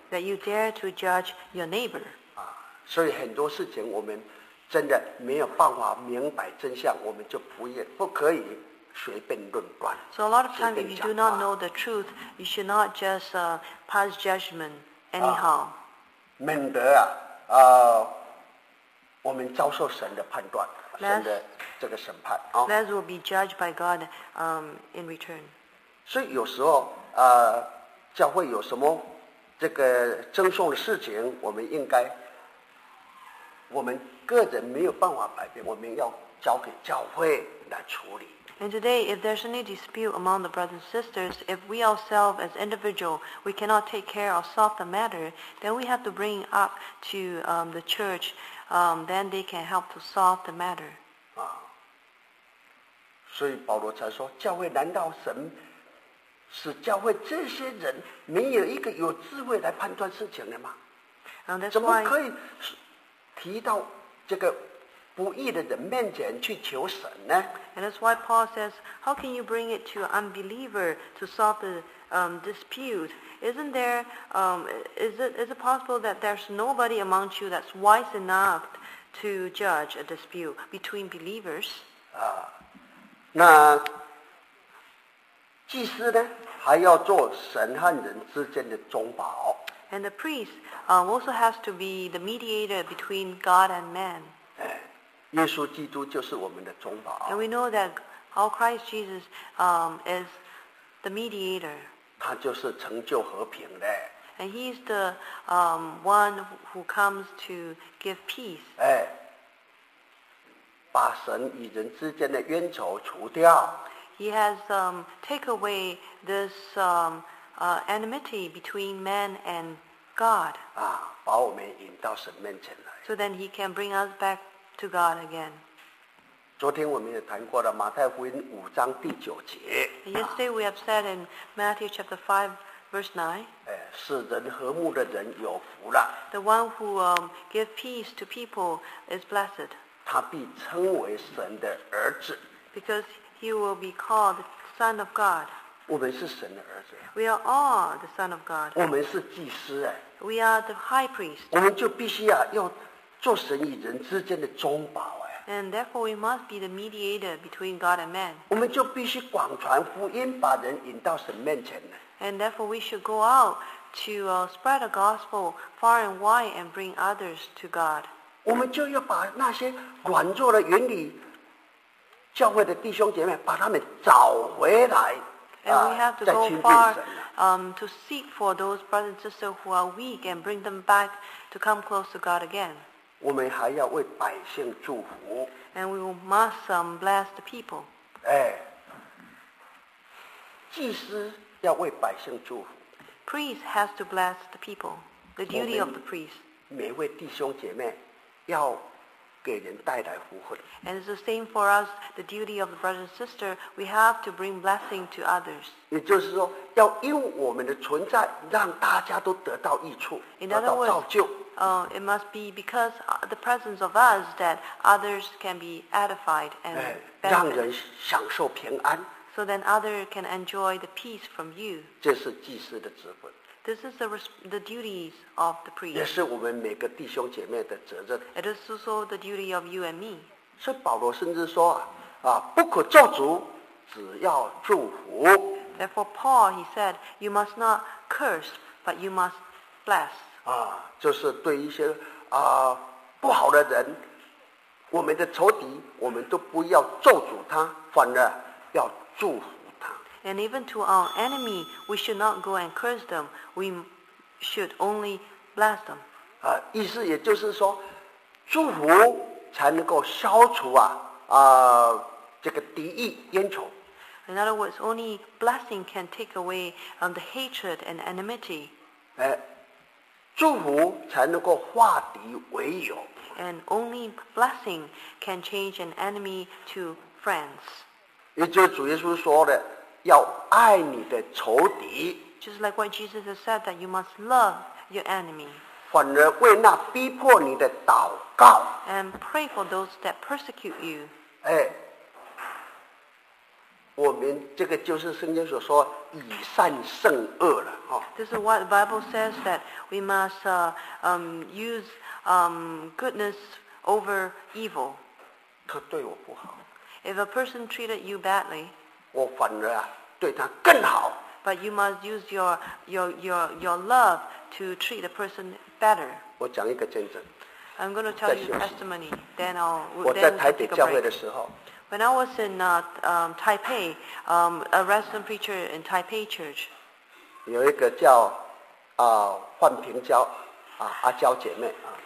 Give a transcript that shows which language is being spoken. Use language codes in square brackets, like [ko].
[en] ？That you dare to judge your neighbor. [zh] 啊，所以很多事情我们真的没有办法明白真相，我们就不可以。随便论断, [en] so a lot of times, if you do not know the truth, you should not just pass judgment anyhow. [zh] 免得啊，我们遭受神的判断，神的这个审判啊。 [en] Less will be judged by God, in return. [zh] 所以有时候，教会有什么这个争讼的事情，我们个人没有办法改变，我们要交给教会来处理。 [en] And today, if there's any dispute among the brothers and sisters, if we ourselves as individuals, we cannot take care or solve the matter, then we have to bring up to the church, then they can help to solve the matter. [zh] 啊，所以保罗才说，教会难道神使教会这些人没有一个有智慧来判断事情的吗？ [en] And that's [zh] 怎么可以提到这个不义的人面前去求神呢？ [en] And that's why Paul says, how can you bring it to an unbeliever to solve the dispute? Isn't there, is it possible that there's nobody among you that's wise enough to judge a dispute between believers? [zh] 啊，那祭司呢，还要做神和人之间的中保。 [en] And the priest also has to be the mediator between God and man. [zh] 哎耶稣基督就是我们的中保。 [en] And we know that our Christ Jesus is the mediator. [zh] 他就是成就和平的。 [en] And he is the one who comes to give peace. [zh] 哎，把神与人之间的冤仇除掉。 [en] He has take away this enmity between man and God. [zh] 啊，把我们引到神面前来。 [en] So then he can bring us back. To God again. [zh] 昨天我们也谈过了马太福音五章第九节。 [en] Yesterday we have said in Matthew chapter 5 verse 9. [zh] 使人和睦的人有福了。 [en] The one who give peace to people is blessed. [zh] 他必称为神的儿子。 [en] Because he will be called son of God. [zh] 我们是神的儿子。 [en] We are all the son of God. [zh] 我们是祭司。 [en] We are the high priest. [zh] 我们就必须要做神与人之间的中保哎。 [en] And therefore, we must be the mediator between God and man. [zh] 我们就必须广传福音，把人引到神面前呢。 [en] And therefore, we should go out to spread the gospel far and wide and bring others to God. [zh] 我们就要把那些软弱的原理教会的弟兄姐妹，把他们找回来。 [en] And we have to go far to seek for those brothers and sisters who are weak and bring them back to come close to God again. [zh] 我们还要为百姓祝福。 [en] And we must bless the people. [zh] 哎，祭司要为百姓祝福。 [en] Priest has to bless the people. The duty of the priest. [zh] 每位弟兄姐妹要给人带来福分。 [en] And it's the same for us. The duty of the brother and sister. We have to bring blessing to others. [zh] 也就是说，要因我们的存在，让大家都得到益处，得到造就。 [en] It must be because the presence of us that others can be edified and benefit. [zh] 让人享受平安。 [en] So then others can enjoy the peace from you. [zh] 这是祭司的职分。 [en] This is the duties of the priest. [zh] 也是我们每个弟兄姐妹的责任。 [en] It is also the duty of you and me. [zh] 所以保罗甚至说啊，不可咒诅，只要祝福。 [en] Therefore, Paul he said, you must not curse, but you must bless. [zh] 啊，就是对一些啊不好的人，我们的仇敌，我们都不要咒诅他，反而要祝福。 [en] And even to our enemy, we should not go and curse them. We should only bless them. [zh] 啊，意思也就是说，祝福才能够消除啊啊这个敌意冤仇。 [en] In other words, only blessing can take away the hatred and enmity. [zh] 哎，祝福才能够化敌为友。 [en] And only blessing can change an enemy to friends. [zh] 也就是主耶稣说的。要爱你的仇敌 [en] ，just like what Jesus has said that you must love your enemy. [zh] 反而为那逼迫你的祷告 [en] ，and pray for those that persecute you. [zh] 哎，我们这个就是圣经所说以善胜恶了，哦。 [en] This is what the Bible says that we must use goodness over evil. [zh] 他对我不好。 [en] If a person treated you badly. [zh] 我反而啊，对他更好。 [en] But you must use your love to treat the person better. [zh] 我讲一个见证。 [en] I'm going to tell you testimony. Then I'll. [zh] 我在台北教会的时候。 [en] When I was in Taipei, a resident preacher in Taipei Church. [zh] 有一个叫啊范平娇啊阿娇姐妹啊。